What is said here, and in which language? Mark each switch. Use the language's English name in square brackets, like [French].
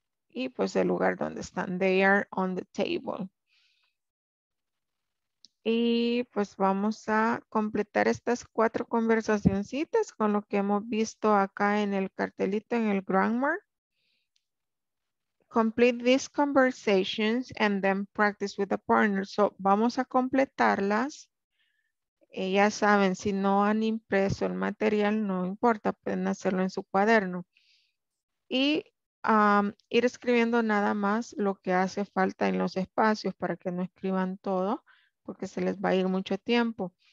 [Spanish] Y pues el lugar donde están. [English] They are on the table. [Spanish] Y pues vamos a completar estas cuatro conversacioncitas con lo que hemos visto acá en el cartelito en el grammar. [English] Complete these conversations and then practice with a partner. [Spanish] So vamos a completarlas. Ya saben, si no han impreso el material, no importa, pueden hacerlo en su cuaderno. Y ir escribiendo nada más lo que hace falta en los espacios para que no escriban todo, porque se les va a ir mucho tiempo.